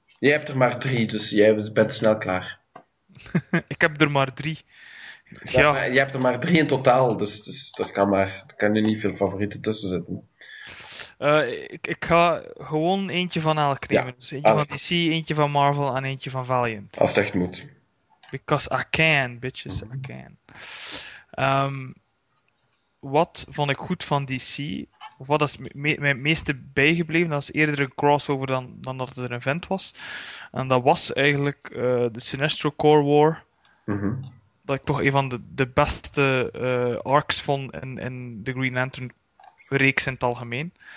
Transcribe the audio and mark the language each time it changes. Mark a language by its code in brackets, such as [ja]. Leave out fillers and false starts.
[nl] Jij hebt er maar drie, dus jij bent snel klaar. Ik heb er maar drie. Je hebt er maar drie in totaal, dus er kan nu niet veel favorieten tussen zitten. Ik ga gewoon eentje van elk nemen. Ja. Dus eentje van DC, eentje van Marvel en eentje van Valiant. Als het echt moet. [en] Because I can, bitches, I can. [nl] Wat vond ik goed van DC? Of wat is mijn meeste bijgebleven? Dat is eerder een crossover dan dat het een event was. En dat was eigenlijk de Sinestro Corps War. Mm-hmm. Dat ik toch een van de beste arcs vond in de Green Lantern reeks in het algemeen.